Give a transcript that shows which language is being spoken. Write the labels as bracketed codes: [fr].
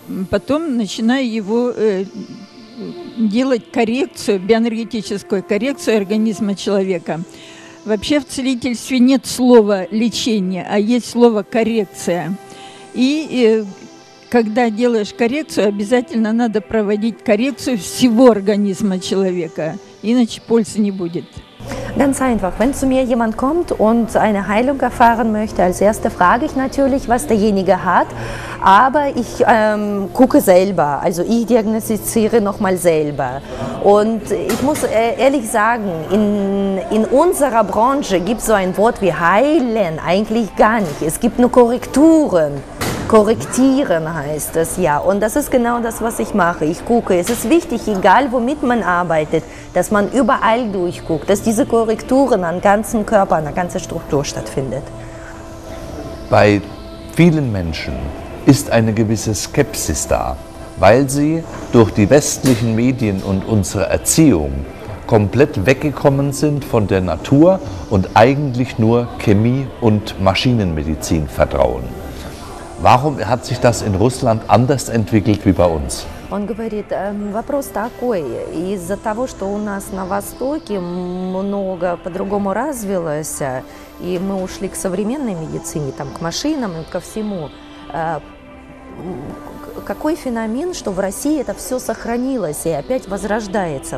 [ru] Потом начинаю его делать коррекцию, биоэнергетическую коррекцию организма человека. Вообще в целительстве нет слова «лечение», а есть слово «коррекция». И когда делаешь коррекцию, обязательно надо проводить коррекцию всего организма человека, иначе пользы не будет. [de] Ganz einfach. Wenn zu mir jemand kommt und eine Heilung erfahren möchte, als erste frage ich natürlich, was derjenige hat. Aber ich gucke selber, also ich diagnostiziere nochmal selber. Und ich muss ehrlich sagen, in unserer Branche gibt es so ein Wort wie heilen eigentlich gar nicht. Es gibt nur Korrekturen. Korrektieren heißt es ja. Und das ist genau das, was ich mache. Ich gucke. Es ist wichtig, egal womit man arbeitet, dass man überall durchguckt, dass diese Korrekturen an ganzem Körper, an der ganzen Struktur stattfindet. Bei vielen Menschen ist eine gewisse Skepsis da, weil sie durch die westlichen Medien und unsere Erziehung komplett weggekommen sind von der Natur und eigentlich nur Chemie und Maschinenmedizin vertrauen. Warum hat sich das in Russland anders entwickelt wie bei uns? [ru] Он говорит, вопрос такой, из-за того, что у нас на Востоке много по-другому развилось, и мы ушли к современной медицине, там, к машинам и ко всему, какой феномен, что в России это все сохранилось и опять возрождается?